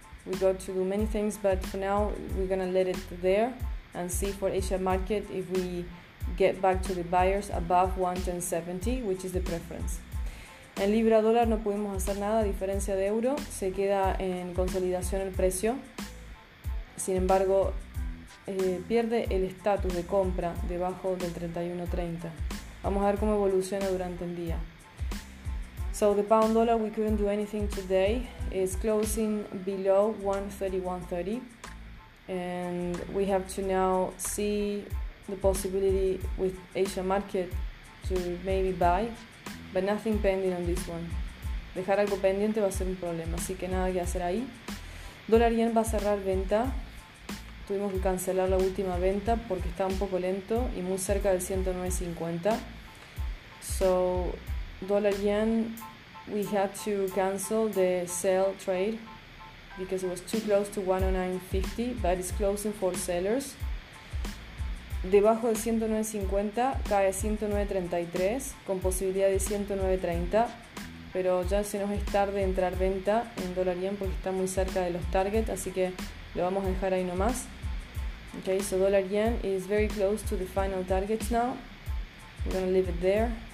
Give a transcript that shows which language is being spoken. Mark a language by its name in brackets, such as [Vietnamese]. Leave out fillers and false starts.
[English] We got to do many things, but for now we're gonna let it there and see for Asia market if we get back to the buyers above 1.1070, which is the preference. [Spanish] En libra dólar no pudimos hacer nada, a diferencia de euro, se queda en consolidación el precio. Sin embargo, pierde el estatus de compra debajo del 31.30. Vamos a ver cómo evoluciona durante el día. [English] So the pound dollar, we couldn't do anything today. It's closing below 1.3130. And we have to now see the possibility with Asia market to maybe buy. But nothing pending on this one. [Spanish] Dejar algo pendiente va a ser un problema, así que nada que hacer ahí. Dólar yen va a cerrar venta. Tuvimos que cancelar la última venta porque está un poco lento y muy cerca del 109.50. [English] So, dólar yen, we had to cancel the sell trade because it was too close to 109.50, but it's closing for sellers. [Spanish] Debajo de 109.50 cae 109.33 con posibilidad de 109.30, pero ya se nos es tarde entrar venta en dólar yen porque está muy cerca de los targets, así que lo vamos a dejar ahí nomás. [English] Okay, so dollar yen is very close to the final targets now. We're gonna leave it there.